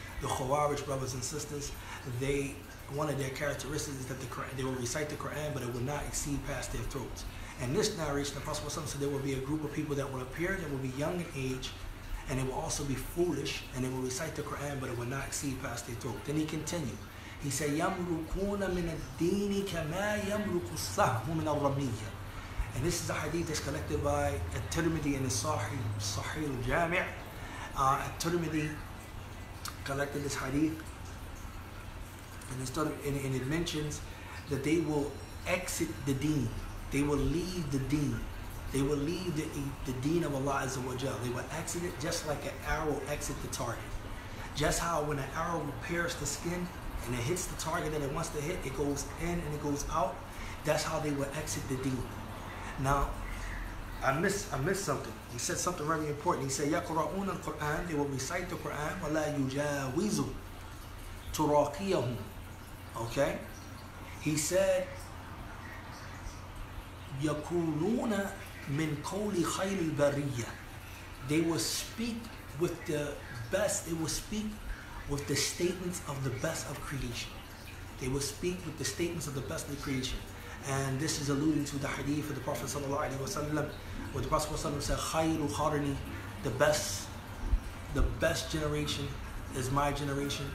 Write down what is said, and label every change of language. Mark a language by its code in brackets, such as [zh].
[en] The Khawarij brothers and sisters, they, one of their characteristics is that the Quran, they will recite the Quran, but it would not exceed past their throats. And this narration, the Prophet ﷺ said there will be a group of people that will appear that will be young in age, and they will also be foolish, and they will recite the Quran, but it will not exceed past their throat. Then he continued. He said, [ar] يَمْرُكُونَ مِنَ الدِّينِ كَمَا يَمْرُكُ الصَّحْمُ مِنَ الرَّمِيَّةِ. [en] And this is a hadith that's collected by At-Tirmidhi in his Sahih al-Jami'. At-Tirmidhi collected this hadith, and it mentions that they will exit the deen. They will leave the deen. They will leave the deen of Allah Azza wa Jal. They will exit it just like an arrow exit the target. Just how when an arrow pierces the skin and it hits the target that it wants to hit, it goes in and it goes out. That's how they will exit the deen. Now, I missed something. He said something very important. He said, [ar] يقرؤون القرآن, [en] they will recite the Quran, [ar] ولا يجاوزوا تراقيهم. [en] Okay? He said, [ar] يقولون من قول خير البرية. [en] They will speak with the best, they will speak with the statements of the best of creation. They will speak with the statements of the best of creation. And this is alluding to the hadith of the Prophet sallallahu alaihi wasallam, where the Prophet sallallahu alaihi wasallam said, [ar] "Khayru qarni, [en] the best generation is my generation.